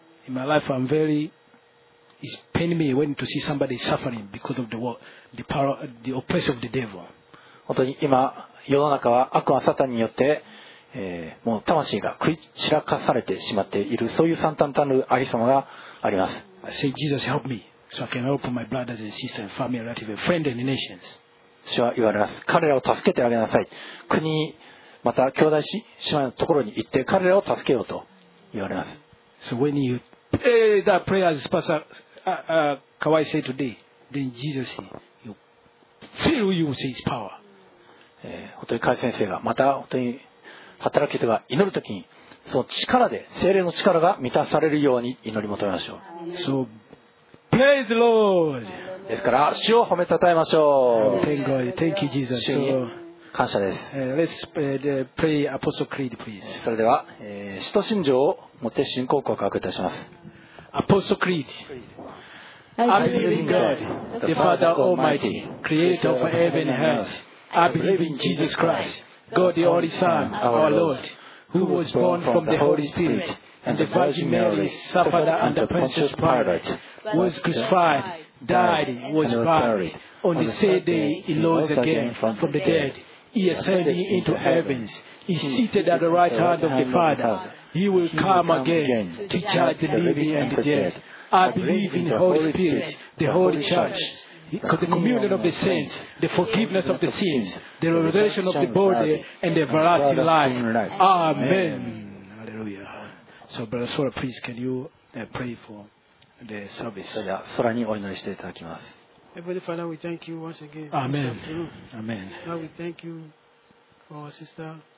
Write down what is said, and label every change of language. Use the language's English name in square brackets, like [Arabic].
[English] In my life, I'm veryIt's paining me when to see somebody suffering because of the war, the power, the oppression of the devil. [Japanese] 本当に今世の中は悪魔サタンによって、もう魂が食い散らかされてしまっている、そういう惨憺たるありさまがあります。 [English] I say, Jesus, help me, so I can help my brothers and sisters and family, relative, friend and nations. [Japanese] 主は言われます。彼らを助けてあげなさい。国また兄弟姉妹のところに行って彼らを助けようと言われます。 [English] So when youThat prayer as Pastor Kawai said today, then Jesus will fill you with His power. [Japanese] 本当に海先生がまた本当に働き人が祈るときに、その力で聖霊の力が満たされるように祈り求めましょう。 [English] So praise the Lord. [Japanese] ですから主を褒めたたえましょう。 [English] Thank God. Thank you, Jesus. [Japanese] 主に感謝です。 [English] Let's pray Apostle Creed, please. [Japanese] それでは使徒信条を持って信仰告白いたします。 [English] Apostle Creed. I believe in God, the Father Almighty, Creator of heaven and earth. I believe in Jesus Christ, God the Only Son, our Lord, who was born from the Holy Spirit and the Virgin Mary, suffered under Pontius Pilate, was crucified, died, was buried. On the third day, he rose again from the dead. He ascended into heavens. He seated at the right hand of the Father. He will come again to judge the living and the dead. I believe in the Holy Spirit, the Holy Church, the communion of the saints, the forgiveness of the sins, the resurrection of the body, and the everlasting life. Amen. Hallelujah. So, Brother Sora, please, can you pray for the service? [Japanese] それでは、ソラにお祈りしていただきます。 [English] Heavenly Father, we thank you once again. Amen. Amen. Now we thank you for our sister.